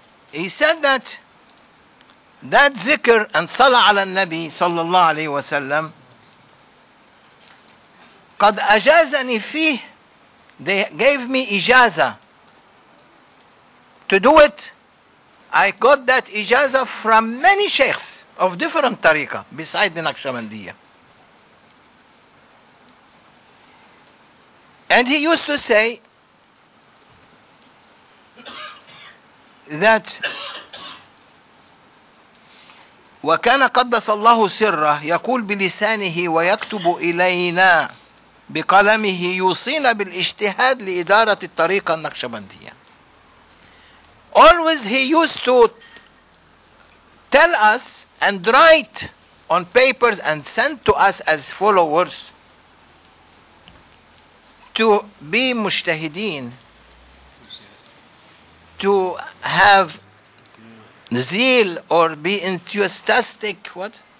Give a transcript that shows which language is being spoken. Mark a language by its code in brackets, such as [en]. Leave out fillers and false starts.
[en] He said that zikr and salah ala al-Nabi sallallahu alayhi wa sallam, [ar] qad ajazani fih, [en] they gave me ijaza to do it. I got that ijaza from many sheikhs of different tariqa besides the Naqshbandiya. And he used to say that [ar] وكان قدس الله سره يقول بلسانه ويكتب إلينا بقلمه يوصينا بالاجتهاد لإدارة الطريقة النقشبندية. [en] Always he used to tell us and write on papers and send to us as followers to be مجتهدين, to have zeal, or be enthusiastic, what?